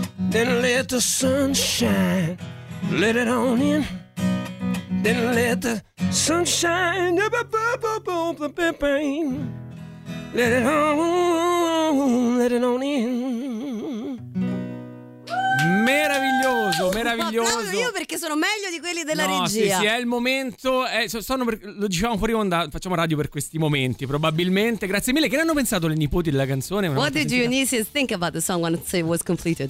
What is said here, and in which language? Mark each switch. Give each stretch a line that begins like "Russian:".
English: Then let the sun shine, let it on in. Then let the sun shine, let it on, let it on in.
Italian: Meraviglioso, meraviglioso. Io perché sono meglio di quelli della regia. Sì, è il momento. Sono, lo dicevamo fuori onda, facciamo radio per questi momenti, probabilmente. Grazie mille. Che ne hanno pensato le nipoti della canzone?
English: What did your nieces think about the song once it was completed?